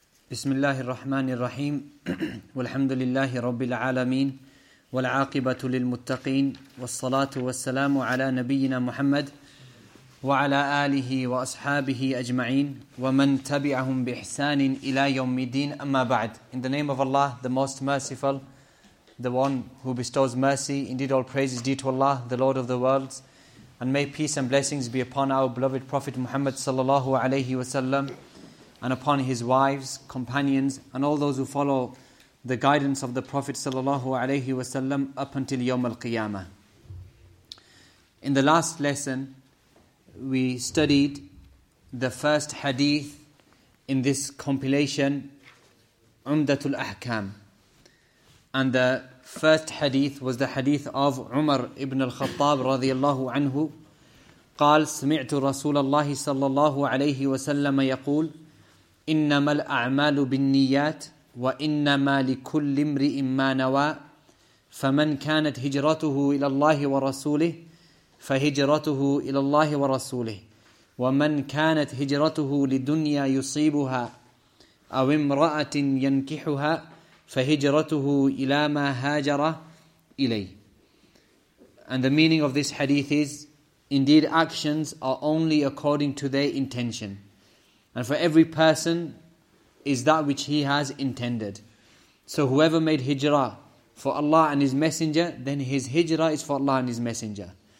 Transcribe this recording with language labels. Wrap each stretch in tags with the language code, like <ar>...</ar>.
<ar>بسم الله الرحمن الرحيم والحمد لله رب العالمين والعاقبة للمتقين والصلاة والسلام على نبينا محمد وعلى آله وأصحابه أجمعين ومن تبعهم بإحسان إلى يوم الدين أما بعد.</ar> <en>In the name of Allah, the Most Merciful, the One who bestows mercy, indeed all praise is due to Allah, the Lord of the worlds, and may peace and blessings be upon our beloved Prophet Muhammad sallallahu alayhi wasallam, and upon his wives, companions, and all those who follow the guidance of the Prophet sallallahu alayhi wasallam up until Yawm al-Qiyamah. In the last lesson, we studied the first hadith in this compilation, Umdatul Ahkam. And the first hadith was the hadith of Umar ibn al-Khattab radiyallahu anhu.</en> <ar>قال سمعت رسول الله صلى الله عليه وسلم يقول إنما الأعمال بالنيات وإنما لكل امرئ ما نوى فمن كانت هجرته إلى الله ورسوله فهجرته إلى الله ورسوله ومن كانت هجرته لدنيا يصيبها أو امرأة ينكحها فهجرته إلى ما هاجر إليه.</ar> <en>And the meaning of this hadith is, indeed actions are only according to their intention. And for every person is that which he has intended. So whoever made hijrah for Allah and his messenger, then his hijrah is for Allah and his messenger.</en>